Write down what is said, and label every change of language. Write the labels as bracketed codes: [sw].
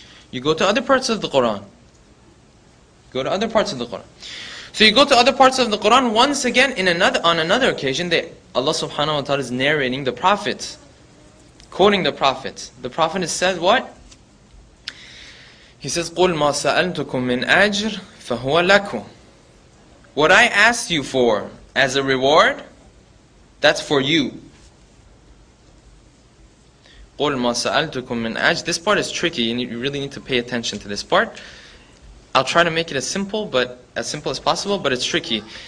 [en] You go to other parts of the Quran. Go to other parts of the Quran. So you go to other parts of the Quran, once again, on another occasion, that Allah subhanahu wa ta'ala is narrating the Prophet, quoting the Prophet. The Prophet says what? He says, [ar] قُلْ مَا سَأَلْتُكُمْ مِنْ أَجْرٍ فَهُوَ لَكُمْ. [en] What I asked you for as a reward, that's for you. [ar] قُلْ مَا سَأَلْتُكُمْ مِنْ أَجْرٍ. [en] This part is tricky, and you really need to pay attention to this part. I'll try to make it as simple as possible, but it's tricky.